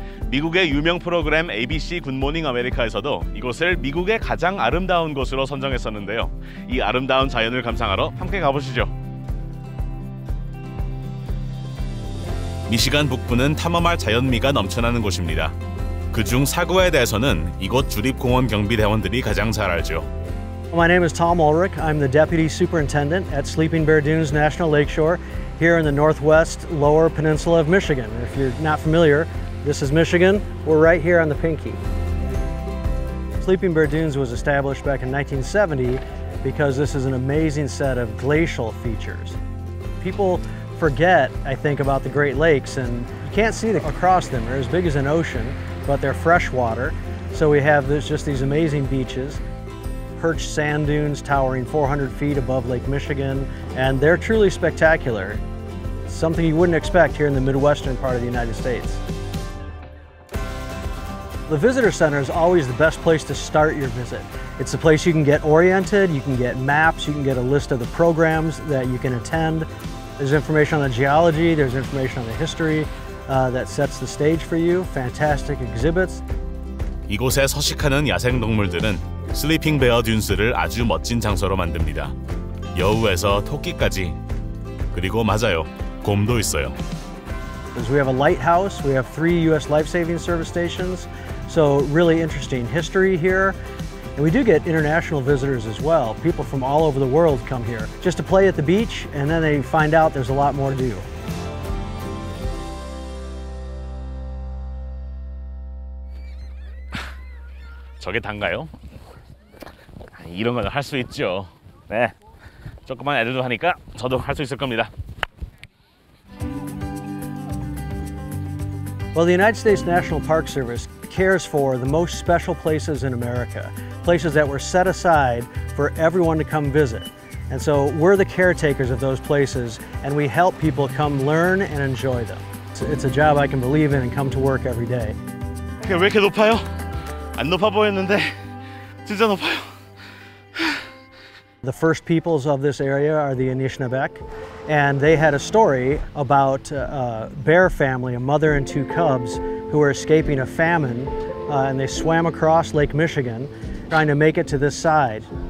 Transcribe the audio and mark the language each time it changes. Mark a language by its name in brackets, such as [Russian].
[Korean] 미국의 유명 프로그램 ABC 굿모닝 아메리카에서도 이곳을 미국의 가장 아름다운 곳으로 선정했었는데요. 이 아름다운 자연을 감상하러 함께 가보시죠. 미시간 북부는 탐험할 자연미가 넘쳐나는 곳입니다. 그중 사구에 대해서는 이곳 주립공원 경비대원들이 가장 잘 알죠. [English] My name is Tom Ulrich. I'm the Deputy Superintendent at Sleeping Bear Dunes National Lakeshore here in the Northwest Lower Peninsula of Michigan. If you're not familiar, this is Michigan. We're right here on the Pinky. Sleeping Bear Dunes was established back in 1970 because this is an amazing set of glacial features. People forget, I think, about the Great Lakes, and you can't see across them. They're as big as an ocean, but they're freshwater, so we have this, just these amazing beaches. Perched sand dunes towering 400 feet above Lake Michigan, and they're truly spectacular. Something you wouldn't expect here in the Midwestern part of the United States. The visitor center is always the best place to start your visit. It's a place you can get oriented, you can get maps, you can get a list of the programs that you can attend. There's information on the geology, there's information on the history that sets the stage for you. Fantastic exhibits. [Korean] 이곳에 서식하는 야생 동물들은 슬리핑 베어 듄스를 아주 멋진 장소로 만듭니다. 여우에서 토끼까지. 그리고 맞아요. 곰도 있어요. [English] We have a lighthouse. We have three US life-saving service stations. So really interesting history here. And we do get international visitors as well. People from all over the world come here just to play at the beach and then they find out there's a lot more to do. [Korean] 저게 단가요? 이런 건 할 수 있죠. 네, 조그만 애들도 하니까 저도 할 수 있을 겁니다. [English] Well, the United States National Park Service cares for the most special places in America, places that were set aside for everyone to come visit. And so we're the caretakers of those places, and we help people come learn and enjoy them. It's a job I can believe in and come to work every day. [Korean] 왜 이렇게 높아요? 안 높아 보였는데 진짜 높아요. [English] The first peoples of this area are the Anishinaabeg, and they had a story about a bear family, a mother and two cubs, who were escaping a famine, and they swam across Lake Michigan, trying to make it to this side.